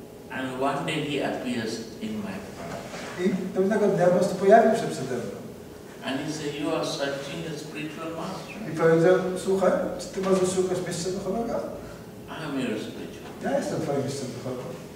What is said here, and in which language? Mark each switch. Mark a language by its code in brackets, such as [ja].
[en] And one day he appears in my path. [pl] I pewnego dnia po prostu pojawił się przede mną. [en] And he said, you are searching a spiritual master. [pl] I powiedział, słuchaj, czy ty może szukasz mistrza duchowego? [en] I am your spiritual. [pl] Ja jestem twoim mistrzem duchowym.